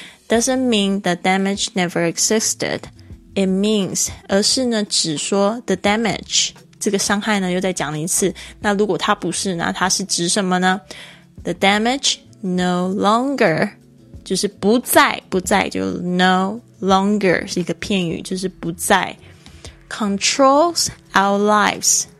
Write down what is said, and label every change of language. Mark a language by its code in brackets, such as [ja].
[en] doesn't mean the damage never existed， it means [zh] 而是呢只说 the damage 这个伤害呢又再讲了一次。那如果它不是，那它是指什么呢？ [en] the damage no longer [zh] 就是不再就 [en] no longer [zh] 是一个片语，就是不再 [en] controls our lives.